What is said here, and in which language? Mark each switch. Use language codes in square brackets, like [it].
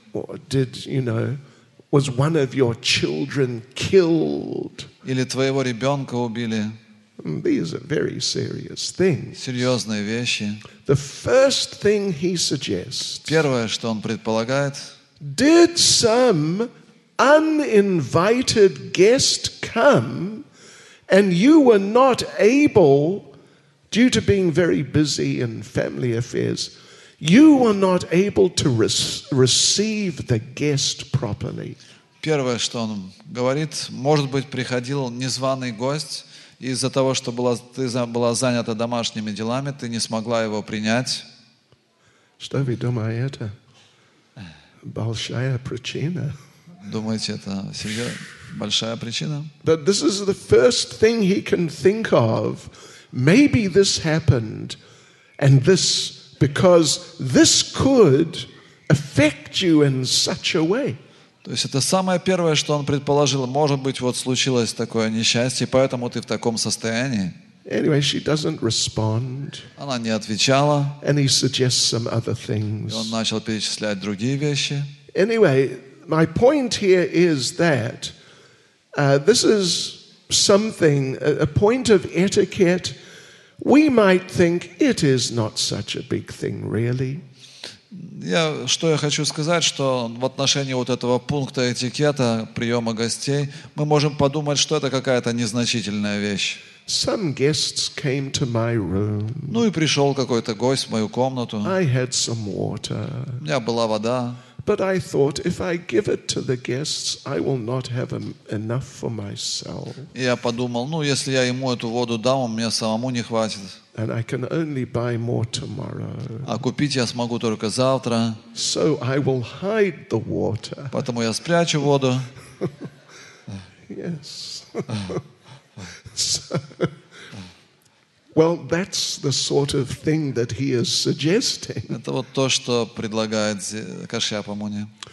[en] Or did, you know, was one of your children killed? [ru] Или твоего ребенка убили? [en] These are very serious things. [ru] Серьезные вещи. [en] The first thing he suggests. [ru] Первое, что он предполагает. [en] Did some uninvited guest come, and you were not able, due to being very busy in family affairs, you were not able to receive the guest properly? [ru] Первое, что он говорит, может быть, приходил незваный гость, и из-за того, что была занята домашними делами, ты не смогла его принять. Что вы думаете? Большая причина. Думаете, это серьезно? Большая причина? [en] But this is the first thing he can think of. Maybe this happened, and this, because this could affect you in such a way. [ru] То есть это самое первое, что он предположил. Может быть, вот случилось такое несчастье, поэтому ты в таком состоянии. [en] Anyway, she doesn't respond. [ru] Она не отвечала. [en] And he suggests some other things. [ru] И он начал перечислять другие вещи. [en] Anyway, my point here is that this is something, a point of etiquette. We might think it is not such a big thing, really. [ru] Что я хочу сказать, что в отношении вот этого пункта этикета приема гостей, мы можем подумать, что это какая-то незначительная вещь. [en] Some guests came to my room. [ru] Ну и пришел какой-то гость в мою комнату. [en] I had some water. [ru] У меня была вода. [en] But I thought, if I give it to the guests, I will not have enough for myself. [ru] Я подумал, если я ему эту воду дам, у меня самому не хватит. [en] And I can only buy more tomorrow. [ru] А купить я смогу только завтра. [en] So I will hide the water. [ru] Поэтому я спрячу воду. [en] Yes. Well, that's the sort of thing that he is suggesting. [ru] Это вот то, что предлагает Кашьяпа Муни.